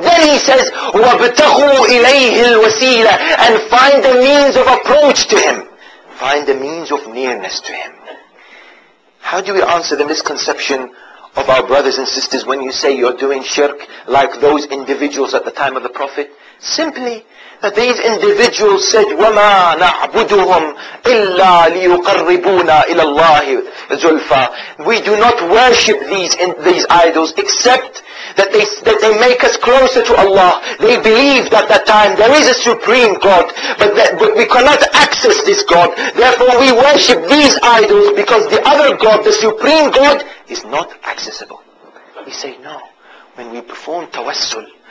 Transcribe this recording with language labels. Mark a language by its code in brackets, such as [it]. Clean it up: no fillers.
[en] Then He says, [ar] وَابْتَغُوا إِلَيْهِ الْوَسِيلَةِ, [en] and find the means of approach to Him. Find a means of nearness to Him. How do we answer the misconception of our brothers and sisters when you say you're doing shirk like those individuals at the time of the Prophet? Simply, that these individuals said, [ar] وَمَا نَعْبُدُهُمْ إِلَّا لِيُقَرِّبُونَ إِلَى اللَّهِ زُلْفَى. [en] We do not worship these idols except that they make us closer to Allah. They believed at that time there is a supreme God, but we cannot access this God. Therefore we worship these idols because the other God, the supreme God, is not accessible. We say no. When we perform tawassul,